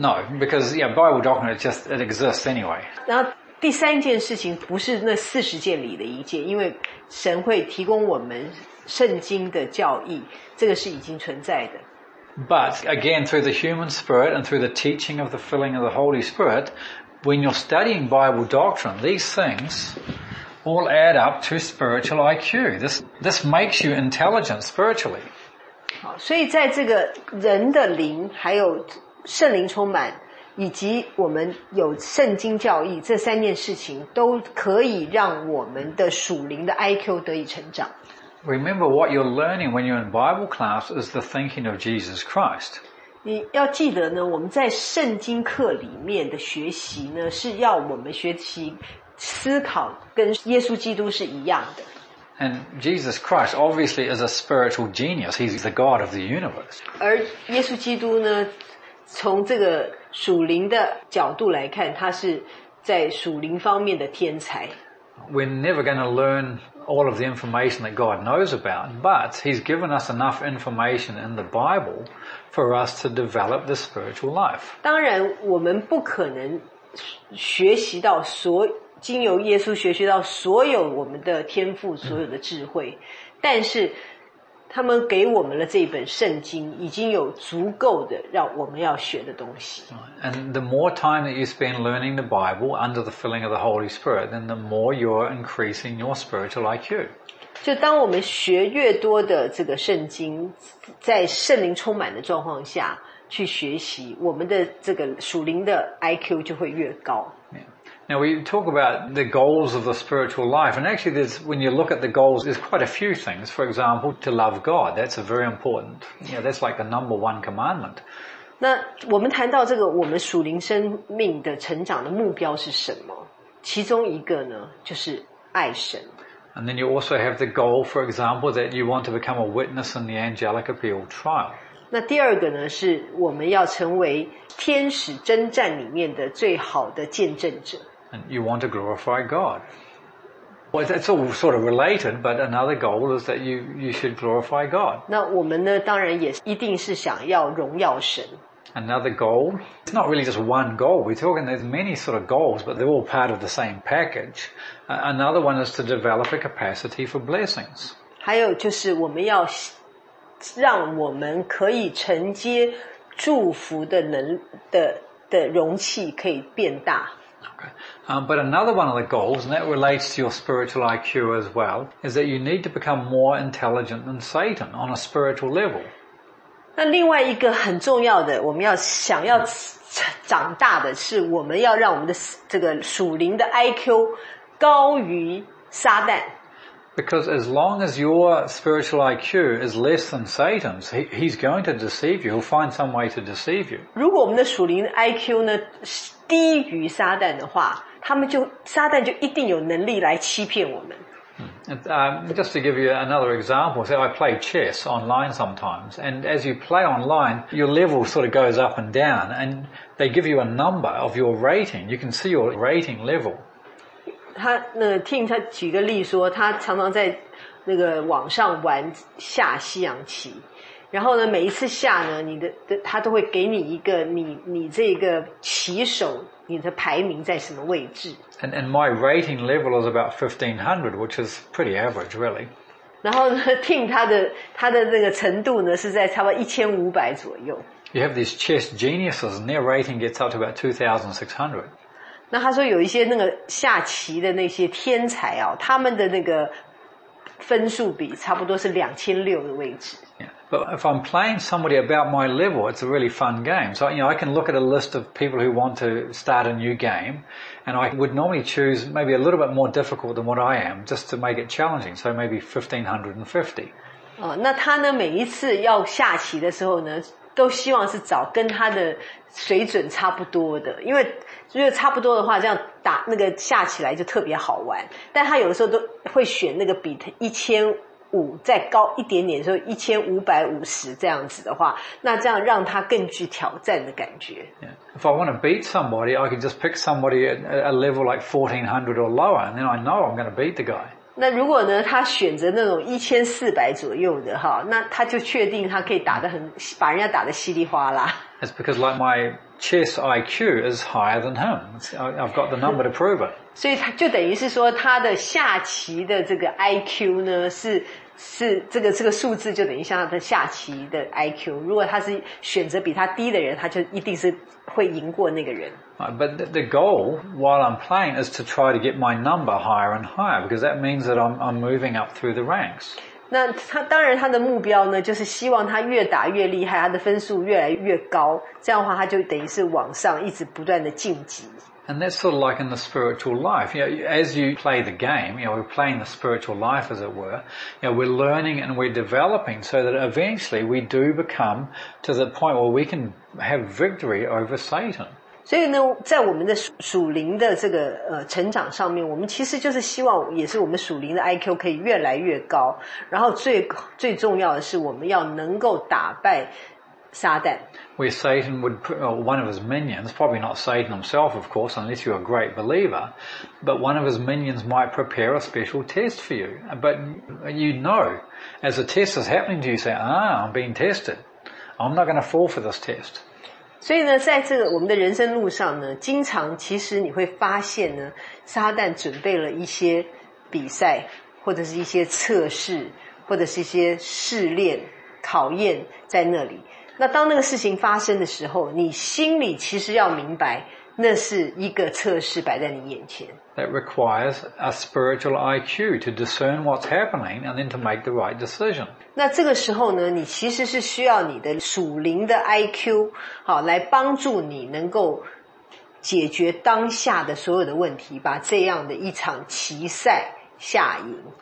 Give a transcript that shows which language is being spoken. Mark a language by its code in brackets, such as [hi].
[en] No, because yeah, Bible doctrine it exists anyway. [zh] 然后第三件事情不是那四十件里的一件，因为神会提供我们圣经的教义，这个是已经存在的。 [en] But again, through the human spirit and through the teaching of the filling of the Holy Spirit, when you're studying Bible doctrine, these things all add up to spiritual IQ. This makes you intelligent spiritually. [zh] 好，所以在这个人的灵还有圣灵充满以及我们有圣经教义这三件事情都可以让我们的属灵的 IQ 得以成长。 [en] Remember what you're learning when you're in Bible class is the thinking of Jesus Christ. [zh] 你要记得呢，我们在圣经课里面的学习呢，是要我们学习思考跟耶稣基督是一样的。 [en] And Jesus Christ obviously is a spiritual genius. He's the God of the universe. [zh] 而耶稣基督呢，从这个属灵的角度来看，他是在属灵方面的天才。 [en] We're never going to learn all of the information that God knows about, but He's given us enough information in the Bible for us to develop the spiritual life. [zh] 当然，我们不可能学习到所经由耶稣学习到所有我们的天赋、所有的智慧，但是他们给我们了这本圣经，已经有足够的让我们要学的东西。 [en] And the more time that you spend learning the Bible under the filling of the Holy Spirit, then the more you're increasing your spiritual IQ. [zh] 就当我们学越多的这个圣经，在圣灵充满的状况下去学习，我们的这个属灵的 IQ 就会越高。 [en] Now we talk about the goals of the spiritual life, and actually there's, when you look at the goals, there's quite a few things. For example, to love God, that's a very important, you know, that's like the number one commandment. [zh] 那我们谈到这个我们属灵生命的成长的目标是什么？其中一个呢，就是爱神。 [en] And then you also have the goal, for example, that you want to become a witness in the angelic appeal trial. [zh] 那第二个呢，是我们要成为天使征战里面的最好的见证者。 [en] And you want to glorify God. Well, that's all sort of related, but another goal is that you should glorify God. [zh] 那我们呢，当然也一定是想要荣耀神。 [en] Another goal, it's not really just one goal. We're talking there's many sort of goals, but they're all part of the same package. Another one is to develop a capacity for blessings. [zh] 还有就是我们要让我们可以承接祝福的能的的容器可以变大。 Okay. [en] But another one of the goals, and that relates to your spiritual IQ as well, is that you need to become more intelligent than Satan on a spiritual level. [zh] 那另外一个很重要的，我们要想要长大的是，我们要让我们的这个属灵的 IQ 高于撒旦。 [en] Because as long as your spiritual IQ is less than Satan's, he's going to deceive you. He'll find some way to deceive you. [zh] 如果我们的属灵 IQ 呢低于撒旦的话，他们就撒旦就一定有能力来欺骗我们。 [en] Just to give you another example, say I play chess online sometimes, and as you play online, your level sort of goes up and down, and they give you a number of your rating. You can see your rating level. [zh] 他那 Tim 他举个例说，他常常在那个网上玩下西洋棋，然后呢，每一次下呢，他都会给你一个你这个棋手你的排名在什么位置。 [en] And my rating level is about 1500, which is pretty average, really. [zh] 然后呢 ，Tim 他的那个程度呢是在差不多1500左右。 [en] You have these chess geniuses, and their rating gets up to about 2600. [zh] 那他说有一些那个下棋的那些天才啊，他们的那个分数比差不多是2600的位置。 Yeah. [en] But if I'm playing somebody about my level, it's a really fun game. So, you know, I can look at a list of people who want to start a new game, and I would normally choose maybe a little bit more difficult than what I am, just to make it challenging. So maybe 1550. [zh] 那他呢，每一次要下棋的时候呢，都希望是找跟他的水准差不多的，因为如果差不多的话，这样打那个下起来就特别好玩。但他有的时候都会选那个比1500再高一点点，说1550这样子的话，那这样让他更具挑战的感觉。 Yeah. [en] If I want to beat somebody, I can just pick somebody at a level like 1400 or lower, and then I know I'm going to beat the guy. [zh] 那如果呢他选择那种1400左右的哈，那他就确定他可以打得很把人家打得稀里哗啦。 [en] It's because like my chess IQ is higher than him. I've got the number to prove it. [zh] 所以他就等于是说他的下棋的这个 IQ 呢是这个数字就等于像他的下棋的 IQ， 如果他是选择比他低的人，他就一定是会赢过那个人。 [en] But the goal while I'm playing is to try to get my number higher and higher because that means that I'm moving up through the ranks. [zh] 那他当然他的目标呢，就是希望他越打越厉害，他的分数越来越高，这样的话他就等于是往上一直不断的晋级。 [en] And that's sort of like in the spiritual life. You know, as you play the game, you know, we're playing the spiritual life, as it were. You know, we're learning and we're developing so that eventually we do become to the point where we can have victory over Satan. [zh] 所以呢，在我们的属灵的这个成长上面，我们其实就是希望，也是我们属灵的 IQ 可以越来越高。然后最重要的是，我们要能够打败。 [en] Where Satan would, one of his minions, probably not Satan himself, of course, unless you're a great believer, but one of his minions might prepare a special test for you. But you know, as the test is happening to you, you say, I'm being tested. I'm not going to fall for this test. [zh] 所以呢，在这个我们的人生路上呢，经常其实你会发现呢，撒旦准备了一些比赛，或者是一些测试，或者是一些试炼、考验在那里。那当那个事情发生的时候，你心里其实要明白，那是一个测试摆在你眼前。 [en] That requires a spiritual IQ to discern what's happening and then to make the right decision. [zh] 那这个时候呢，你其实是需要你的属灵的 IQ， 好，来帮助你能够解决当下的所有的问题，把这样的一场棋赛下赢。